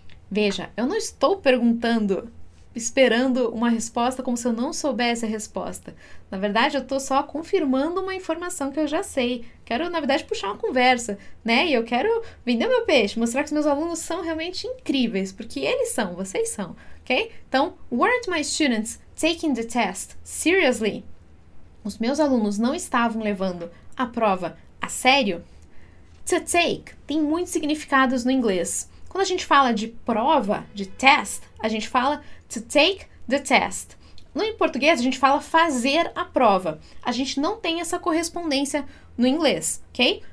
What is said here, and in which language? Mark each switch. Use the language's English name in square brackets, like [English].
[Portuguese] Veja, eu não estou perguntando, esperando uma resposta como se eu não soubesse a resposta. Na verdade, eu estou só confirmando uma informação que eu já sei. Quero, na verdade, puxar uma conversa, né? E eu quero vender meu peixe, mostrar que os meus alunos são realmente incríveis, porque eles são, vocês são, ok? Então, [English] weren't my students taking the test seriously? [Portuguese] Os meus alunos não estavam levando a prova a sério? [English] To take [Portuguese] tem muitos significados no inglês. Quando a gente fala de prova, de test, a gente fala [English] to take the test. [Portuguese] No em português, a gente fala fazer a prova. A gente não tem essa correspondência no inglês, ok?